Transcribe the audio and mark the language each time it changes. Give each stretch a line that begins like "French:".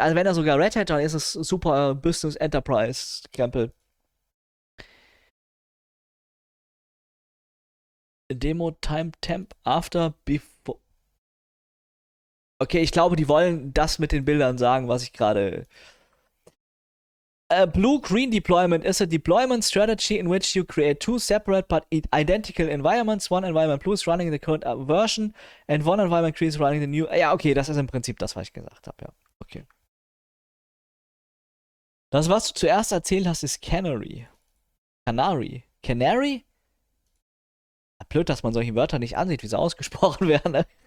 German: Also wenn er sogar Red Hat, dann ist es super Business Enterprise Krempel.
English: Demo Time Temp After Before.
German: Okay, ich glaube, die wollen das mit den Bildern sagen, was ich gerade...
English: A blue-green deployment is a deployment strategy in which you create two separate but identical environments. One environment blue is running the current version and one environment green is running the new...
German: Ja, okay, das ist im Prinzip das, was ich gesagt habe, ja. Okay. Das, was du zuerst erzählt hast, ist Canary. Canary? Canary? Blöd, dass man solche Wörter nicht ansieht, wie sie ausgesprochen werden.